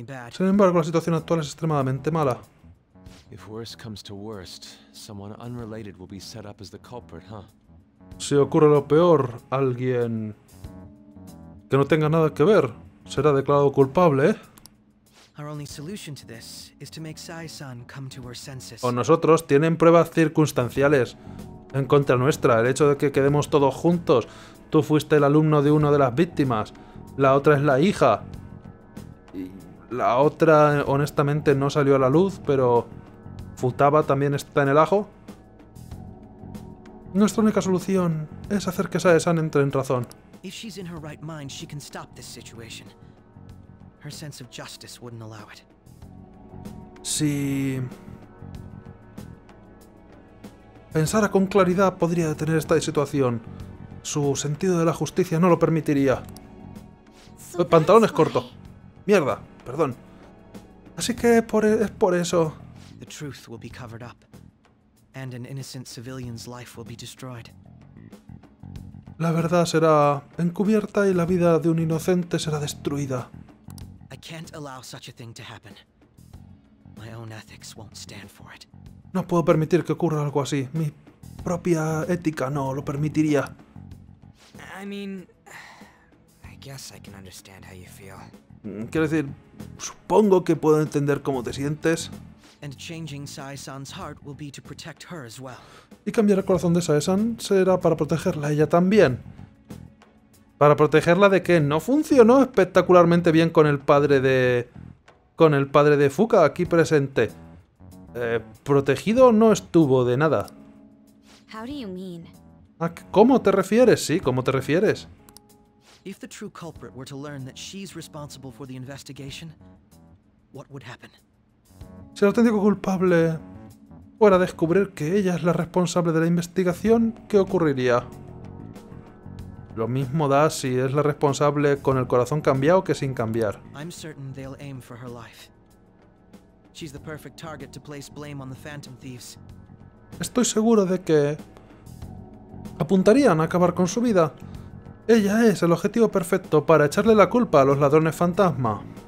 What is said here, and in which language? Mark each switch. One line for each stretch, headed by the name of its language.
Spanish: Sin embargo, la situación actual es extremadamente mala.
English: Si worse comes to worst, someone unrelated will be set up as the culprit, ¿huh?
Spanish: Si ocurre lo peor, alguien que no tenga nada que ver será declarado culpable, ¿eh?
English: Our only solution to this is to make Sai-san come to her senses.
Spanish: O nosotros tienen pruebas circunstanciales en contra nuestra. El hecho de que quedemos todos juntos. Tú fuiste el alumno de una de las víctimas. La otra es la hija. Y la otra, honestamente, no salió a la luz, pero Futaba también está en el ajo. Nuestra única solución es hacer que Sae-san entre en razón.
English: If she's in her right mind, she can stop this situation. Her sense of justice wouldn't allow it.
Spanish: Si pensara con claridad, podría detener esta situación. Su sentido de la justicia no lo permitiría. Pantalones cortos. Mierda, perdón. Así que es por eso.
English: The truth will be covered up, and an innocent civilian's life will be destroyed.
Spanish: La verdad será encubierta y la vida de un inocente será destruida.
English: I can't allow such a thing to happen. My own ethics won't stand for it.
Spanish: No puedo permitir que ocurra algo así. Mi propia ética no lo permitiría.
English: I mean, I guess I can understand how you feel.
Spanish: Quiero decir, supongo que puedo entender cómo te sientes.
English: And changing Sae-san's heart will be to protect her as well.
Spanish: Y cambiar el corazón de Sae-san será para protegerla a ella también. ¿Para protegerla de qué? No funcionó espectacularmente bien con el padre de Fuka aquí presente. Protegido no estuvo de nada.
English: How do you mean?
Spanish: ¿A cómo te refieres? Sí, ¿cómo te refieres?
English: If the true culprit were to learn that she's responsible for the investigation, what would happen?
Spanish: Si el auténtico culpable fuera a descubrir que ella es la responsable de la investigación, ¿qué ocurriría? Lo mismo da si es la responsable con el corazón cambiado que sin cambiar.
English: I'm certain they'll aim for her life. She's the perfect target to place blame on the Phantom Thieves.
Spanish: Estoy seguro de que apuntarían a acabar con su vida. Ella es el objetivo perfecto para echarle la culpa a los ladrones fantasma.